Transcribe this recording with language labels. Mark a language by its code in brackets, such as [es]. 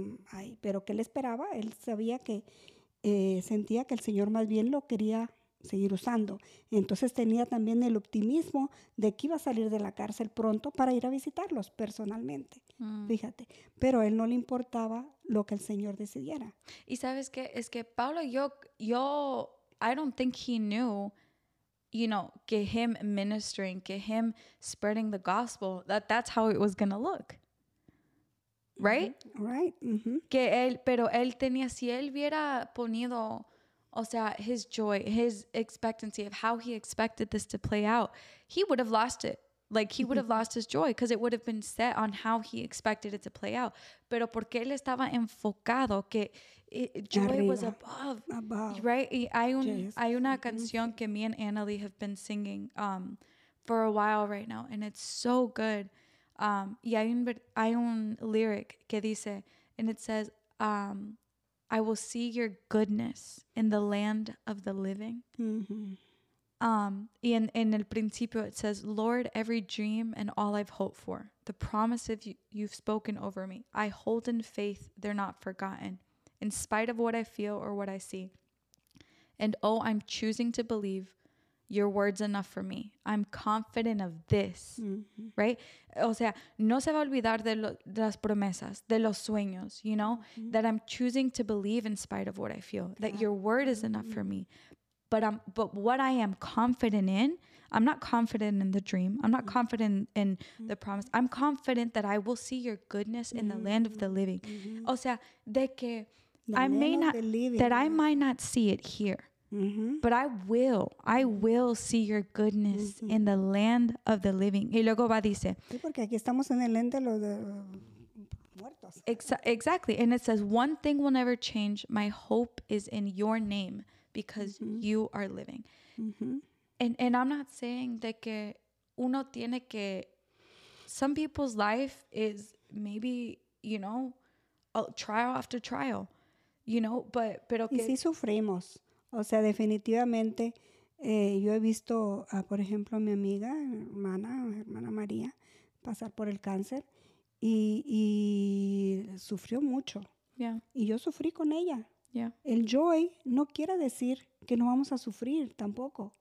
[es] Ay, pero que él esperaba, él sabía que sentía que el Señor más bien lo quería seguir usando. Entonces tenía también el optimismo de que iba a salir de la cárcel pronto para ir a visitarlos personalmente. Mm. Fíjate. Pero a él no le importaba lo que el Señor decidiera. Y sabes qué, es que Pablo, yo, [en] I don't think he knew, you know, que him ministering, que him spreading the gospel, that that's how it was going to look. Right? Mm-hmm. Right. Mm-hmm. [es] Que él, pero él tenía, si él hubiera ponido, o sea, [en] his joy, his expectancy of how he expected this to play out, he would have lost it. Like, he would have lost his joy because it would have been set on how he expected it to play out. [es] Pero porque él estaba enfocado que joy arriba, [en] was above. Right? [es] Y hay una canción que [en] me and Annalie have been singing for a while right now, and it's so good. [es] Y hay un lyric que dice, [en] and it says, I will see your goodness in the land of the living. Mm-hmm. [es] Y en el principio [en] it says, Lord, every dream and all I've hoped for, the promises you've spoken over me, I hold in faith they're not forgotten, in spite of what I feel or what I see. And oh, I'm choosing to believe your word's enough for me. I'm confident of this, mm-hmm. right? [es] O sea, no se va a olvidar de las promesas, de los sueños, [en] you know, [es] mm-hmm. [en] that I'm choosing to believe in spite of what I feel, yeah. that your word is enough mm-hmm. for me. But what I am confident in, I'm not confident in the dream. I'm not mm-hmm. confident in mm-hmm. the promise. I'm confident that I will see your goodness in mm-hmm. the land of the living. Mm-hmm. [es] O sea, de que [en] I may not, that I might not see it here. Mm-hmm. But I will see your goodness mm-hmm. in the land of the living. [es] Y luego va, dice. Sí, porque aquí estamos en el land de los muertos. [en] Exactly. And it says, one thing will never change. My hope is in your name because mm-hmm. you are living. Mm-hmm. And I'm not saying that [es] que uno tiene que, [en] some people's life is maybe, you know, trial after trial, you know, but. [es] Pero que, y si sufrimos. O sea, definitivamente, yo he visto, por ejemplo, a mi amiga, hermana María, pasar por el cáncer y sufrió mucho. [en] Yeah. [es] Y yo sufrí con ella. [en] Yeah. [es] El joy no quiere decir que no vamos a sufrir tampoco.